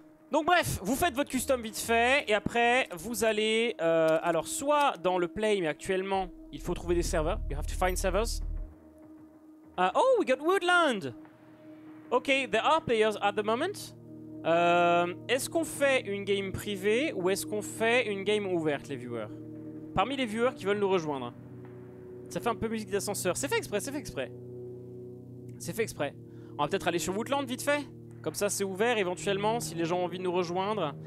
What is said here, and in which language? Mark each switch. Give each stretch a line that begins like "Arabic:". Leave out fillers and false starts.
French: Donc bref, vous faites votre custom vite fait, et après, vous allez, alors, soit dans le play, mais actuellement, il faut trouver des serveurs.
English: You have to find servers. Oh, we got Woodland! Okay, there are players at the moment.
French: Est-ce qu'on fait une game privée, ou est-ce qu'on fait une game ouverte, les viewers? Parmi les viewers qui veulent nous rejoindre. Ça fait un peu musique d'ascenseur. C'est fait exprès, c'est fait exprès. C'est fait exprès. On va peut-être aller sur Woodland, vite fait. Comme ça, c'est ouvert éventuellement si les gens ont envie de nous rejoindre.